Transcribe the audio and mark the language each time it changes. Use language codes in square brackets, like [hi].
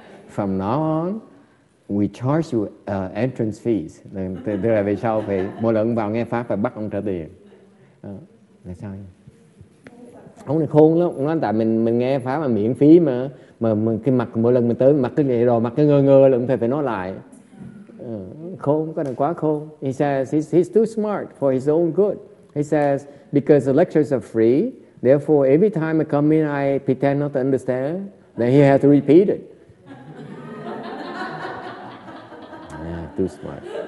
[en] From now on, we charge you entrance fees. [vi] Tức là về sau phải mỗi lần vào nghe pháp phải bắt ông trả tiền. Là sao? Ông này khôn lắm, ông nói tại mình nghe pháp mà miễn phí mà cái mặt mỗi lần mình tới mặt cái vậy rồi mặt cái ngơ ngơ là cũng phải nói lại. Khôn, cái này quá khôn. [en] He says he's too smart for his own good. He says because the lectures are free, therefore every time I come in I pretend not to understand, then he has to repeat it. Yeah, too smart.